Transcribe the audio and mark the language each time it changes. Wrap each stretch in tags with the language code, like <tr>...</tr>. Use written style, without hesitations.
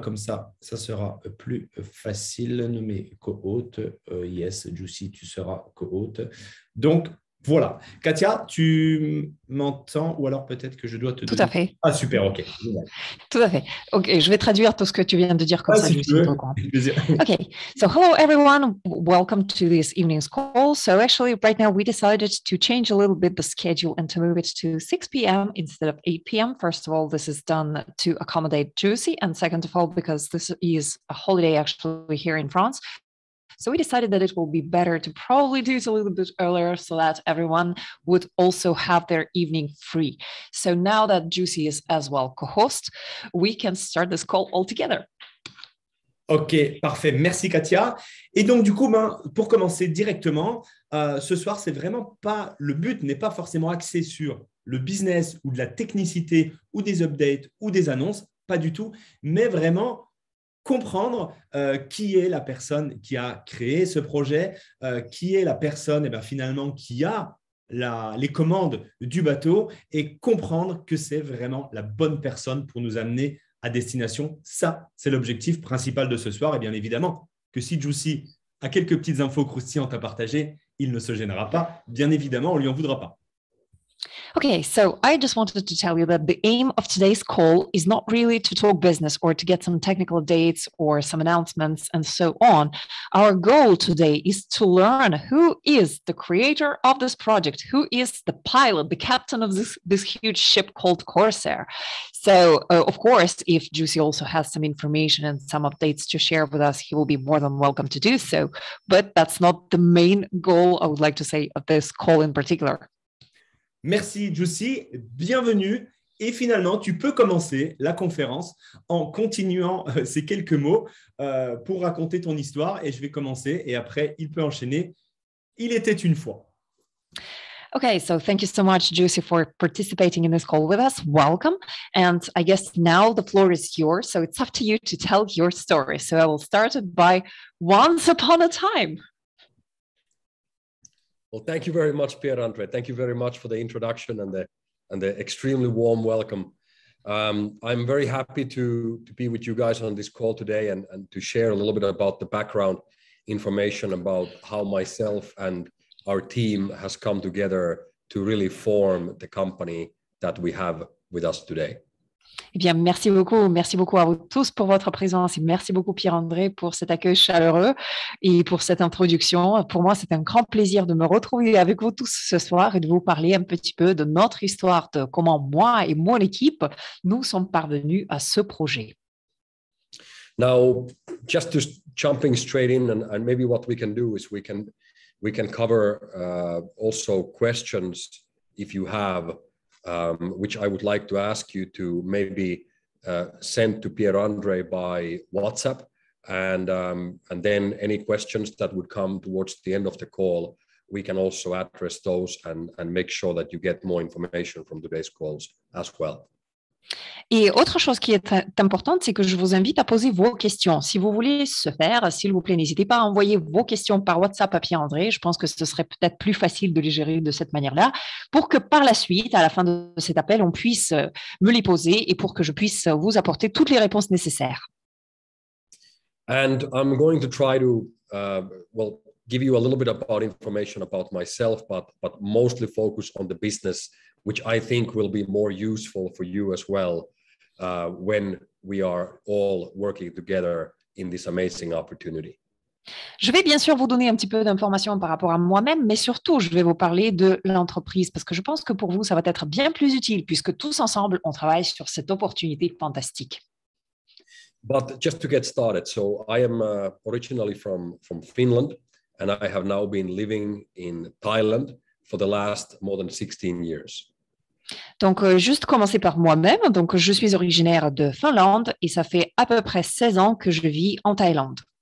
<fr>Comme ça sera plus facile. Nommé co-hôte. Yes, Juicy, tu seras co-hôte. Donc, voilà. Katia, tu m'entends? Ou alors peut-être que je dois te Tout à donner. fait. Ah, super, ok. Tout à fait. Ok, je vais traduire tout ce que tu viens de dire comme Ah, ça, si tu Jussi, veux. donc.</fr> <en>Ok, so hello everyone, welcome to this evening's call. So actually, right now we decided to change a little bit the schedule and to move it to 6 p.m. instead of 8 p.m. First of all, this is done to accommodate Jussi, and second of all, because this is a holiday actually here in France. So we decided that it will be better to probably do it a little bit earlier so that everyone would also have their evening free. So now that Juicy is as well co-host, we can start this call all together.</en> <fr>Ok, parfait. Merci Katia. Et donc du coup, ben, pour commencer directement, ce soir, c'est vraiment pas le but n'est pas forcément axé sur le business ou de la technicité ou des updates ou des annonces, pas du tout, mais vraiment comprendre qui est la personne qui a créé ce projet, qui est la personne et ben, finalement qui a les commandes du bateau et comprendre que c'est vraiment la bonne personne pour nous amener à destination. Ça, c'est l'objectif principal de ce soir. Et bien évidemment que si Juicy a quelques petites infos croustillantes à partager, il ne se gênera pas. Bien évidemment, on ne lui en voudra pas.</fr> <en>Okay, so I just wanted to tell you that the aim of today's call is not really to talk business or to get some technical updates or some announcements and so on. Our goal today is to learn who is the creator of this project, who is the pilot, the captain of this huge ship called Corsair. So, of course, if Juicy also has some information and some updates to share with us, he will be more than welcome to do so. But that's not the main goal, I would like to say, of this call in particular.</en> <fr>Merci Juicy, bienvenue. Et finalement, tu peux commencer la conférence en continuant ces quelques mots pour raconter ton histoire. Et je vais commencer et après, il peut enchaîner. Il était une fois.</fr> <en>Okay, so thank you so much, Juicy, for participating in this call with us. Welcome. And I guess now the floor is yours. So it's up to you to tell your story. So I will start it by Once Upon a Time. Well, thank you very much, Pierre-André. Thank you very much for the introduction and the extremely warm welcome. I'm very happy to be with you guys on this call today and to share a little bit about the background information about how myself and our team has come together to really form the company that we have with us today.</en> <fr>Eh bien, merci beaucoup à vous tous pour votre présence et merci beaucoup Pierre-André pour cet accueil chaleureux et pour cette introduction. Pour moi, c'est un grand plaisir de me retrouver avec vous tous ce soir et de vous parler un petit peu de notre histoire, de comment moi et mon équipe, nous sommes parvenus à ce projet.</fr> <en>Now, just to jumping straight in, and maybe what we can do is we can cover also questions if you have, which I would like to ask you to maybe send to Pierre-André by WhatsApp, and then any questions that would come towards the end of the call, we can also address those and make sure that you get more information from today's calls as well.</en> <fr>Et autre chose qui est importante, c'est que je vous invite à poser vos questions. Si vous voulez ce faire, s'il vous plaît, n'hésitez pas à envoyer vos questions par WhatsApp à Pierre-André. Je pense que ce serait peut-être plus facile de les gérer de cette manière-là pour que par la suite, à la fin de cet appel, on puisse me les poser et pour que je puisse vous apporter toutes les réponses nécessaires.</fr> <en>And I'm going to try to well give you a little bit about information about myself, but mostly focus on the business, which I think will be more useful for you as well when we are all working together in this amazing opportunity.</en> <fr>Je vais bien sûr vous donner un petit peu d'informations par rapport à moi-même, mais surtout, je vais vous parler de l'entreprise parce que je pense que pour vous, ça va être bien plus utile puisque tous ensemble, on travaille sur cette opportunité fantastique.</fr> <en>But just to get started, so I am originally from Finland and I have now been living in Thailand for the last more than 16 years.</en> <fr>Donc, juste commencer par moi-même. Donc, je suis originaire de Finlande et ça fait à peu près 16 ans que je vis en Thaïlande.</fr>